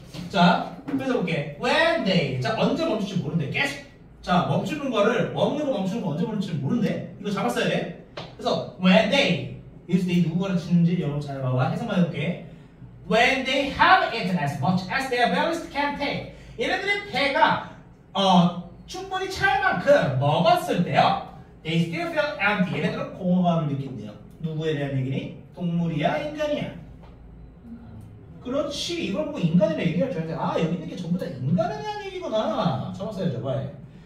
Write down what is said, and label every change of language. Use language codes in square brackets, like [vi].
[ko] 자, 그래서 볼게. [en] When they. [ko] 자, 언제 멈출지 모른대. 계속. 자, 멈추는 거를, 먹는 거 멈추는 거 언제 멈출지 모른대. 이거 잡았어야 돼. 그래서, [en] when they. [ko] 여기서 they 누구거를 치는지 여러분 잘 봐봐. 해석만 해볼게. [en] When they have it as much as their bellies can take. [ko] 얘네들의 배가, 충분히 찰 만큼 먹었을 때요. [en] They still feel empty. [ko] 얘네들은 공허감을 느낀대요. 누구에 대한 얘기니? 동물이야? 인간이야? 그렇지. 이걸 보고 인간이라 얘기할 줄 알았는데, 아, 여기 있는 게 전부 다 인간에 대한 얘기구나. 잡았어요, 저번에.